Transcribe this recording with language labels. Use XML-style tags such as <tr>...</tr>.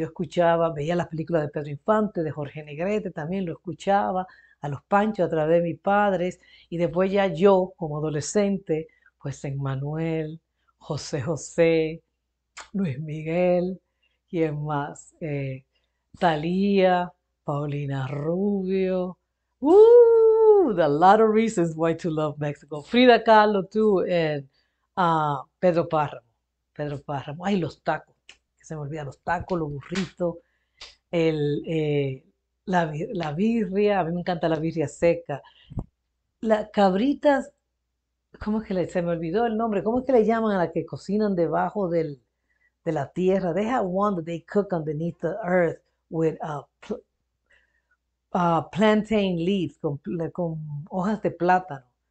<es>Yo escuchaba, veía las películas de Pedro Infante, de Jorge Negrete, también lo escuchaba, a los Panchos a través de mis padres. Y después ya yo, como adolescente, pues en Manuel, José José, Luis Miguel, ¿quién más? Thalía, Paulina Rubio.</es> <en>There are a lot of reasons why to love Mexico.</en> <es>Frida Kahlo, too, and Pedro Páramo. Pedro Páramo. Ay, los tacos. Que se me olvida, los tacos, los burritos, la birria. A mí me encanta la birria seca. Las cabritas. ¿Cómo es que se me olvidó el nombre? ¿Cómo es que le llaman a la que cocinan debajo de la tierra?</es> <en>They have one that they cook underneath the earth with plantain leaves,</en> <es>con hojas de plátano.</es>